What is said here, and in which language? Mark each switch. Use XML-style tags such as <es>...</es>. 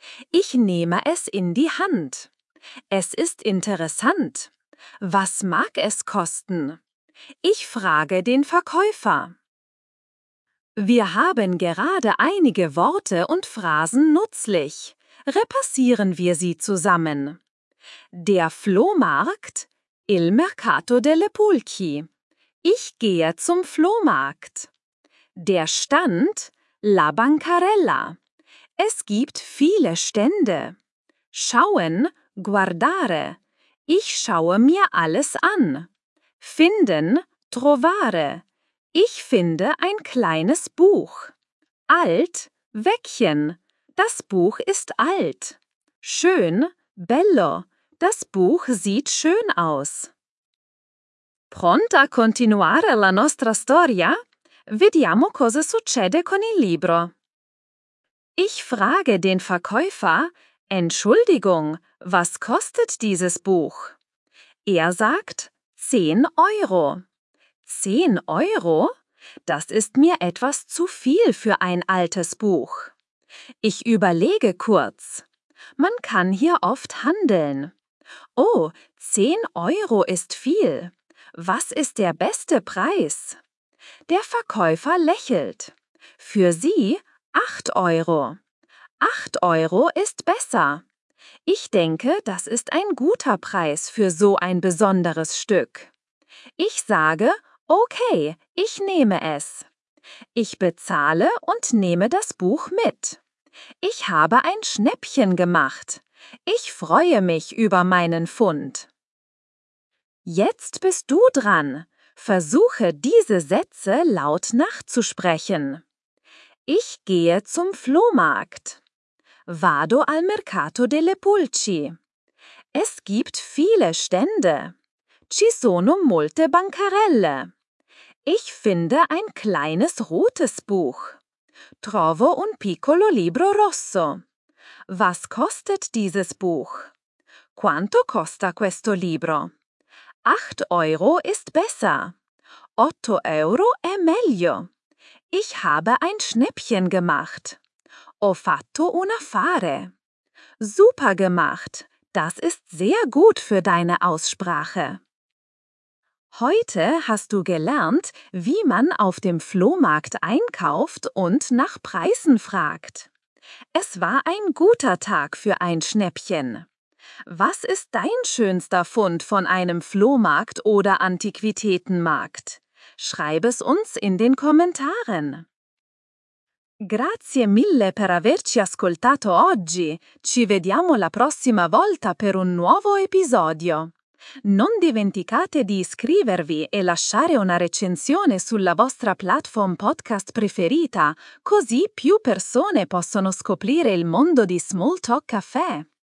<de>Ich nehme es in die Hand. Es ist interessant. Was mag es kosten? Ich frage den Verkäufer. Wir haben gerade einige Worte und Phrasen nutzlich. Repassieren wir sie zusammen. Der Flohmarkt,</de> <it>il mercato delle pulci.</it> <de>Ich gehe zum Flohmarkt. Der Stand,</de> <it>la bancarella.</it> <de>Es gibt viele Stände. Schauen,</de> <it>guardare.</it> <de>Ich schaue mir alles an. Finden,</de> <it>trovare.</it> <de>Ich finde ein kleines Buch. Alt,</de> <it>vecchien.</it> <de>Das Buch ist alt. Schön,</de> <it>bello.</it> <de>Das Buch sieht schön aus.</de> <it>Pronta a continuare la nostra storia? Vediamo cosa succede con il libro.</it> <de>Ich frage den Verkäufer, Entschuldigung, was kostet dieses Buch? Er sagt, 10 Euro. 10 Euro? Das ist mir etwas zu viel für ein altes Buch. Ich überlege kurz. Man kann hier oft handeln. Oh, 10 Euro ist viel. Was ist der beste Preis? Der Verkäufer lächelt. Für Sie 8 Euro. 8 Euro ist besser. Ich denke, das ist ein guter Preis für so ein besonderes Stück. Ich sage, okay, ich nehme es. Ich bezahle und nehme das Buch mit. Ich habe ein Schnäppchen gemacht. Ich freue mich über meinen Fund. Jetzt bist du dran. Versuche, diese Sätze laut nachzusprechen. Ich gehe zum Flohmarkt.</de> <it>Vado al mercato delle pulci.</it> <de>Es gibt viele Stände.</de> <it>Ci sono molte bancarelle.</it> <de>Ich finde ein kleines rotes Buch.</de> <it>Trovo un piccolo libro rosso.</it> <de>Was kostet dieses Buch?</de> <it>Quanto costa questo libro?</it> <de>8 Euro ist besser. 8 Euro</de> <it>è meglio.</it> <de>Ich habe ein Schnäppchen gemacht.</de> <it>Ho fatto un affare.</it> <de>Super gemacht. Das ist sehr gut für deine Aussprache. Heute hast du gelernt, wie man auf dem Flohmarkt einkauft und nach Preisen fragt. Es war ein guter Tag für ein Schnäppchen. Was ist dein schönster Fund von einem Flohmarkt oder Antiquitätenmarkt? Schreib es uns in den Kommentaren.</de> <it>Grazie mille per averci ascoltato oggi. Ci vediamo la prossima volta per un nuovo episodio. Non dimenticate di iscrivervi e lasciare una recensione sulla vostra platform podcast preferita, così più persone possono scoprire il mondo di Small Talk Caffè.</it>